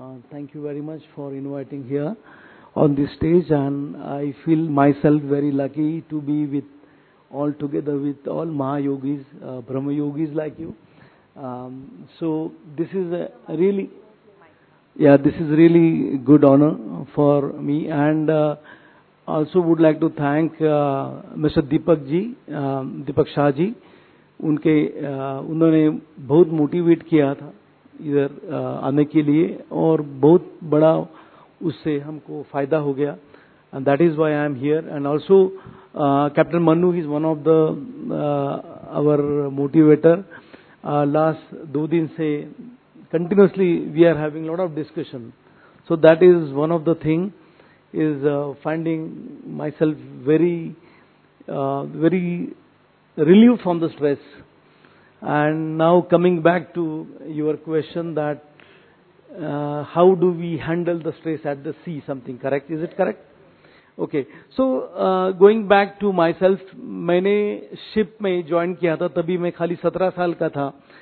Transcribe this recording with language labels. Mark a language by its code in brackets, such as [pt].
[en] Thank you very much for inviting here on this stage, and I feel myself very lucky to be with all together with all Mahayogis, Brahma Yogis like you. So this is really good honor for me, and also would like to thank Mr. Deepak Ji, Deepak Shah Ji. [hi] उनके उन्होंने बहुत motivate किया था इधर आने के लिए, और बहुत बड़ा उससे हमको फायदा हो गया, [en] And that is why I am here. And also captain Manu, he is one of the our motivator. Last दो दिन से continuously we are having lot of discussion, so that is one of the thing is finding my self very very relieved from the stress. And now coming back to your question that how do we handle the stress at the sea, something correct, is it correct? Okay, so going back to myself, [hi] maine ship mein join kiya tha, tabhi main khali 17 saal ka tha.